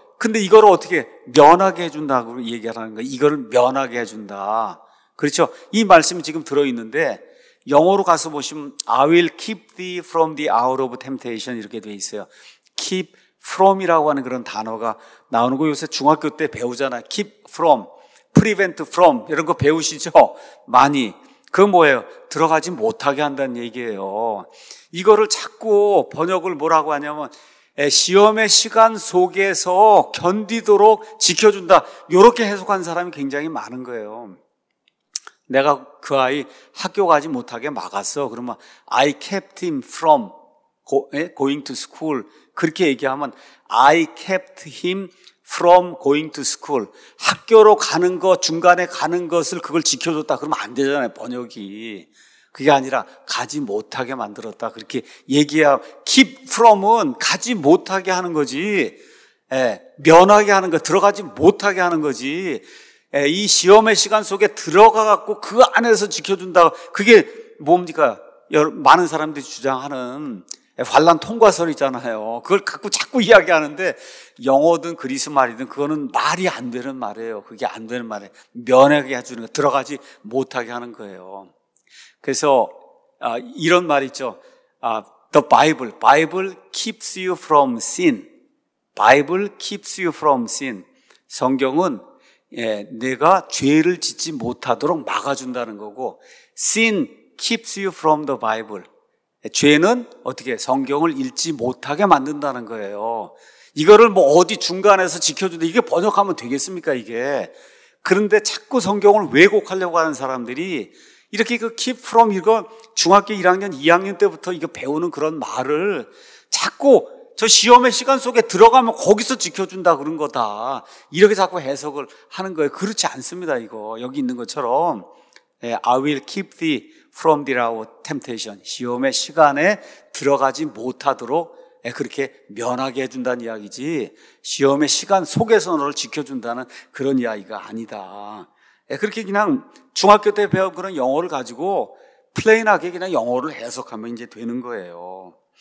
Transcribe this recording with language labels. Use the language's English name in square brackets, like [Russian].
[Korean] 근데 이걸 어떻게 면하게 해준다고 얘기하는 거예요. 이걸 면하게 해준다. 그렇죠? 이 말씀이 지금 들어있는데 영어로 가서 보시면 [English] I will keep thee from the hour of temptation [Korean] 이렇게 돼 있어요. keep from이라고 하는 그런 단어가 나오는 거 요새 중학교 때 배우잖아요. keep from, prevent from 이런 거 배우시죠? 많이. 그건 뭐예요? 들어가지 못하게 한다는 얘기예요. 이거를 자꾸 번역을 뭐라고 하냐면 시험의 시간 속에서 견디도록 지켜준다. 이렇게 해석한 사람이 굉장히 많은 거예요. 내가 그 아이 학교 가지 못하게 막았어. [English] 그러면 I kept him from going to school. [Korean] 그렇게 얘기하면 [English] I kept him from going to school. [Korean] 학교로 가는 거 중간에 가는 것을 그걸 지켜줬다. 그러면 안 되잖아요. 번역이. 그게 아니라 가지 못하게 만들었다. 그렇게 얘기해야 keep from은 가지 못하게 하는 거지. 면하게 하는 거 들어가지 못하게 하는 거지. 이 시험의 시간 속에 들어가갖고 그 안에서 지켜준다. 그게 뭡니까? 많은 사람들이 주장하는 환란 통과설 있잖아요. 그걸 갖고 자꾸 이야기하는데 영어든 그리스 말이든 그거는 말이 안 되는 말이에요. 그게 안 되는 말이에요. 면하게 해주는 거, 들어가지 못하게 하는 거예요. 그래서 이런 말 있죠. [English] The Bible. Bible keeps you from sin. Bible keeps you from sin. [Korean] 성경은 내가 죄를 짓지 못하도록 막아준다는 거고 [English] sin keeps you from the Bible. [Korean] 죄는 어떻게 성경을 읽지 못하게 만든다는 거예요. 이거를 뭐 어디 중간에서 지켜준다. 이게 번역하면 되겠습니까, 이게. 그런데 자꾸 성경을 왜곡하려고 하는 사람들이 이렇게 그 keep from 이거 중학교 1학년, 2학년 때부터 이거 배우는 그런 말을 자꾸 저 시험의 시간 속에 들어가면 거기서 지켜준다 그런 거다. 이렇게 자꾸 해석을 하는 거예요. 그렇지 않습니다, 이거. 여기 있는 것처럼. [English] I will keep thee from the hour of temptation. [Korean] 시험의 시간에 들어가지 못하도록 그렇게 면하게 해준다는 이야기지. 시험의 시간 속에서 너를 지켜준다는 그런 이야기가 아니다. 그렇게 그냥 중학교 때 배운 그런 영어를 가지고 플레인하게 그냥 영어를 해석하면 이제 되는 거예요.